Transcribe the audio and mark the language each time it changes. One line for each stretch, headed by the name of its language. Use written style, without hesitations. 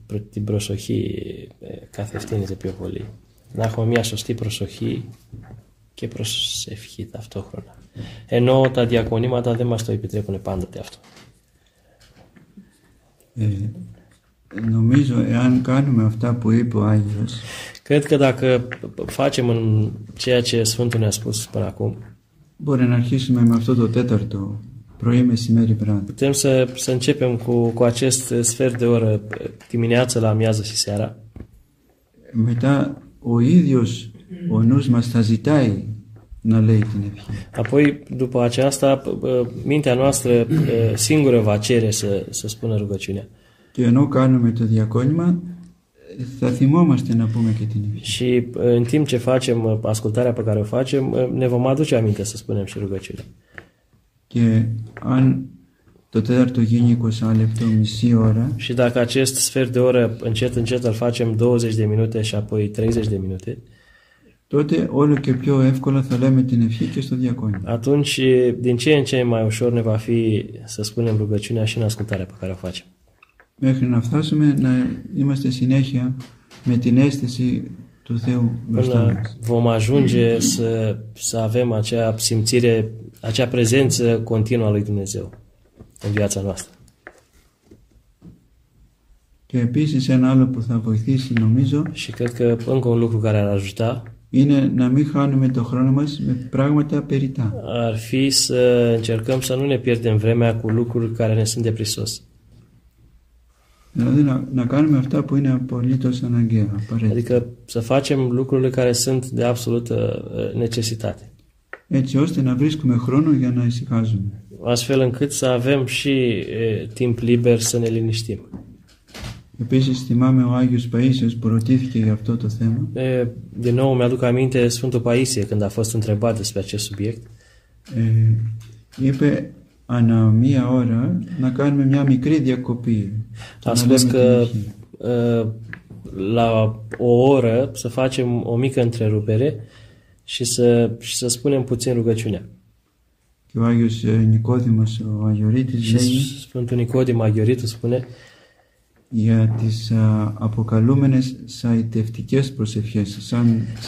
Greek: Την προσοχή καθευθύνεται πιο πολύ. Να έχουμε μια σωστή προσοχή και προσευχή ταυτόχρονα. Ενώ τα διακονήματα δεν μας το επιτρέπουν πάντοτε αυτό. Νομίζω εάν κάνουμε αυτά που είπε ο Άγιος.
Romanian: Cred că dacă facem în ceea ce Sfântul ne-a spus până acum.
Greek: Μπορεί να αρχίσουμε με αυτό το τέταρτο πρωί, μεσημέρι, βράδυ.
Romanian: Putem să începem cu acest sfert de oră dimineață la amiază și seara.
Greek: Μετά ο ίδιος ο νους μας θα ζητάει να λέει την ευχή.
Romanian: Apoi, după aceasta, mintea noastră singură va cere să spună rugăciunea.
Greek: Και ενώ κάνουμε το διακόνημα, θα θυμόμαστε να πούμε και την ευχή.
Romanian: Și în timp ce facem ascultarea pe care o facem, ne vom aduce aminte să spunem și rugăciunea.
Greek: Και αν το τέταρτο γίνει 20 λεπτό, μισή ώρα.
Romanian: Și dacă acest sfert de oră încet încet îl facem 20 de minute și apoi 30 de minute.
Greek: Τότε όλο και πιο εύκολα θα λέμε την ευχή και στο διακόνημα.
Romanian: Atunci, din ce în ce mai ușor ne va fi să spunem rugăciunea și în ascultarea pe care o facem.
Greek: Μέχρι να φτάσουμε να είμαστε συνέχεια με την αίσθηση του Θεού μπροστά μας.
Romanian: Vom ajunge să avem acea simțire, acea prezență continuă a lui Dumnezeu în viața noastră.
Greek: Και επίσης ένα άλλο που θα βοηθήσει, νομίζω.
Romanian: Și cred că încă un lucru care ar ajuta.
Greek: Είναι να μην χάνουμε το χρόνο μας με πράγματα περιττά.
Romanian: Ar fi să încercăm să nu ne pierdem vremea cu lucruri care ne sunt deprisos.
Greek: Δηλαδή να κάνουμε αυτά που είναι απολύτως αναγκαία, απαραίτητα.
Romanian: Adică să facem lucrurile care sunt de absolută necesitate.
Greek: Έτσι ώστε να βρίσκουμε χρόνο για να ησυχάζουμε.
Romanian: Astfel încât să avem și timp liber să ne liniștim.
Greek: Επίσης θυμάμαι ο Άγιος Παΐσιος που ρωτήθηκε για αυτό το θέμα.
Romanian: De nou mi aduc aminte Sfântul Paisie când a fost întrebat despre acest subiect.
Greek: Είπε ανά μία ώρα να κάνουμε μια μικρή διακοπή.
Romanian: A spus că la o oră să facem o mică întrerupere și să spunem puțin rugăciunea.
Greek: Και ο Άγιος Νικόδημος ο Αγιορείτης λέει.
Romanian: Sfântul Nicodim Aghioritu spune.
Greek: για τις αποκαλούμενες σαϊτευτικές προσευχές, σαν